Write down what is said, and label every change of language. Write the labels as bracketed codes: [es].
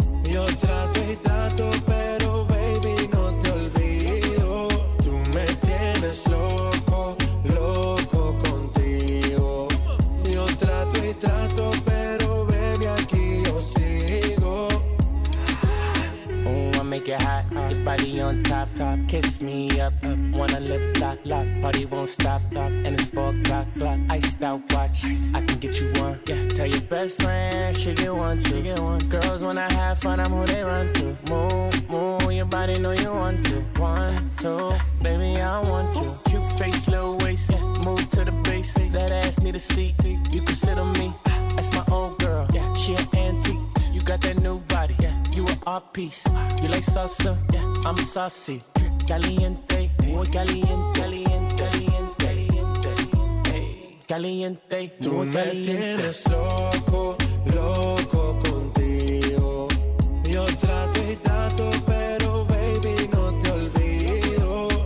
[es] Yo trato y trato pero baby no te olvido. Tú me tienes loco, loco contigo. Yo trato y trato pero baby aquí yo sigo. [en] Oh, I make it hot, your body on top, top. Kiss me up, up. Wanna lip lock, lock. Party won't stop, stop. And it's 4 o'clock, iced out watch. I can get you one, yeah. Tell your best friend, she get one, she get one. Girls wanna have fun, I'm who they run to. Move, move, your body know you want to. One, two, baby, I want you. Cute face, little waist, yeah. Move to the bass. That ass need a seat, you can sit on me. That's my old girl, yeah. She an antique. You got that new body, yeah. You a art piece. You like salsa, yeah. I'm saucy. [es] Caliente, muy caliente, caliente, caliente. Caliente, tú me tienes loco, loco contigo. Yo trato y trato, pero baby no te olvido.